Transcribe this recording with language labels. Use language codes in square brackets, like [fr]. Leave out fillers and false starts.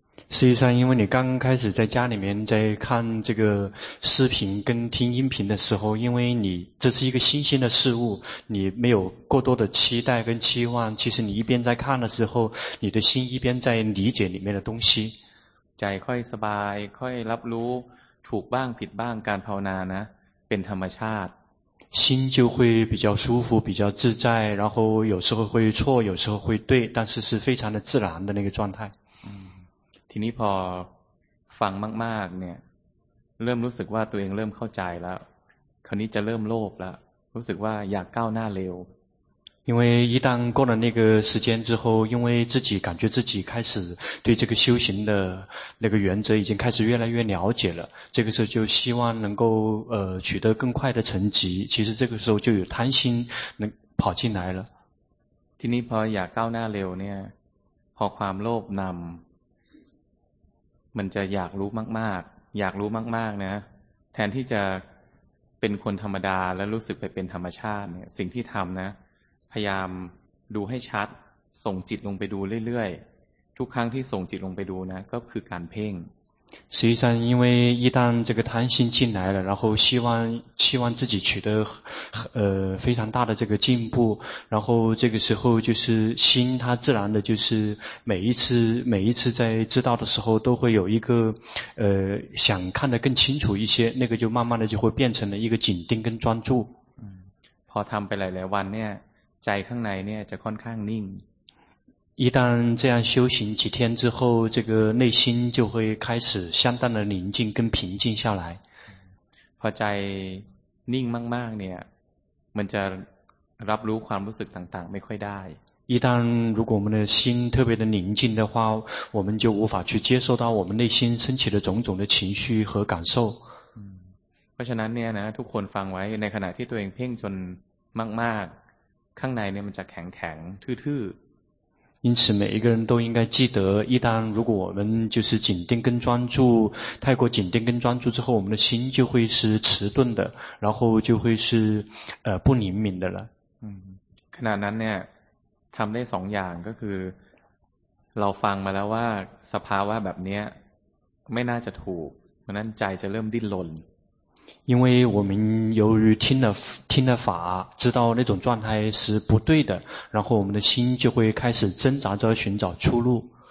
[zh] 实际上因为你刚开始在家里面在看这个视频跟听音频的时候因为你这是一个新鲜的事物你没有过多的期待跟期望其实你一边在看的时候你的心一边在理解里面的东西 [th] ใจค่อยสบายค่อยรับรู้ถูกบ้างผิดบ้างการภาวนานะเป็นธรรมชาติ [zh] 心就会比较舒服比较自在然后有时候会错有时候会对但是是非常的自然的那个状态 [th] ทีนี้พอฟังมากๆเนี่ยเริ่มรู้สึกว่าตัวเองเริ่มเข้าใจแล้วคราวนี้จะเริ่มโลภแล้วรู้สึกว่าอยากก้าวหน้าเร็ว [zh] 因为一旦过了那个时间之后因为自己感觉自己开始对这个修行的那个原则已经开始越来越了解了这个时候就希望能够取得更快的成绩其实这个时候就有贪心能跑进来了 [th] ที่นี้พออยากก้าวหน้าเร็วเนี่ยพอความโลภนำมันจะอยากรู้มากๆอยากรู้มากๆนะแทนที่จะเป็นคนธรรมดาและรู้สึกไปเป็นธรรมชาติเนี่ยสิ่งที่ทำนะพยายามดูให้ชัดส่งจิตลงไปดูเรื่อยๆทุกครั้งที่ส่งจิตลงไปดูนะก็คือการเพ่ง [zh] 实际上因为一旦这个贪心进来了然后希望自己取得非常大的这个进步然后这个时候就是心它自然的就是每一次在知道的时候都会有一个想看得更清楚一些那个就慢慢的就会变成了一个紧盯跟专注 [th] พอทำไปหลายๆวันเนี่ยใจข้างในเนี่ยจะค่อนข้างนิ่ง [zh] 一旦这样修行几天之后这个内心就会开始相当的宁静跟平静下来 [th] พอใจนิ่งมากๆเนี่ยมันจะรับรู้ความรู้สึกต่างๆไม่ค่อยได้ [zh] 一旦如果我们的心特别的宁静的话我们就无法去接受到我们内心升起的种种的情绪和感受 [th] เพราะฉะนั้นเนี่ยนะทุกคนฟังไว้ในขณะที่ตัวเองเพ่งจนมากๆข้างในเนี่ยมันจะแข็งๆทื่อ [zh] ๆ因此每一个人都应该记得一旦如果我们就是紧盯跟专注太过紧盯跟专注之后我们的心就会是迟钝的然后就会是不灵敏的了 [th] ขณะนั้นเนี่ยทำได้สองอย่างก็คือเราฟังมาแล้วว่าสภาวะแบบเนี้ยไม่น่าจะถูกเพราะนั้นใจจะเริ่มดิ้นรน [zh] 因为我们由于听了法知道那种状态是不对的然后我们的心就会开始挣扎着寻找出路